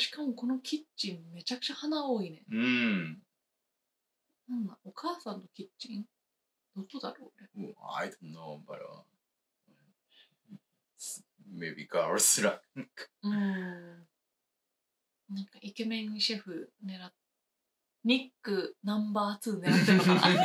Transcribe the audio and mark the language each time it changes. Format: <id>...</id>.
<ja>しかもこのキッチンめちゃくちゃ花多いね。うん。なんだ、お母さんのキッチン？どこだろうね。</ja> <en>Well, I don't know, but、maybe girls like. うん。</en> <ja>なんかイケメンシェフ狙って。ニックナンバー2狙ってるのか</ja>